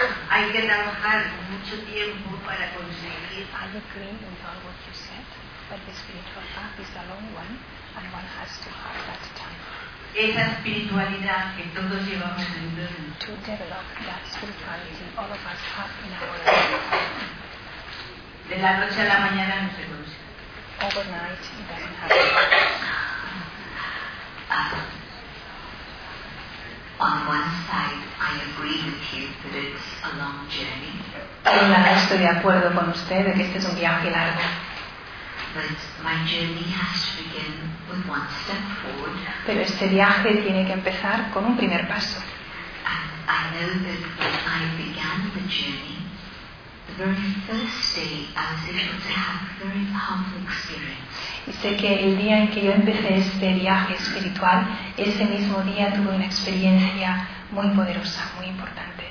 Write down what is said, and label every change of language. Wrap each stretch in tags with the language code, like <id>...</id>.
<es>Hay que trabajar mucho tiempo para conseguir.</es> <en>I agree with all what you said, but the spiritual path is a long one, and one has to have that time.</en> <es>Esa espiritualidad que todos llevamos dentro.</es> <en>To develop that spirituality, all of us have in our life.</en> <es>De la noche a la mañana no se consigue.</es> <en>Overnight, it doesn't happen. On one side, I agree with you that it's a long journey.</en> <es>Estoy de acuerdo con usted de que este es un viaje largo.</es> <en>But my journey has to begin with one step forward.</en> <es>Pero este viaje tiene que empezar con un primer paso.</es> <en>And I know that when I began the journey, the very first day I was able to have a very powerful experience.</en> <es>Y sé que el día en que yo empecé este viaje espiritual, ese mismo día tuve una experiencia muy poderosa, muy importante.</es>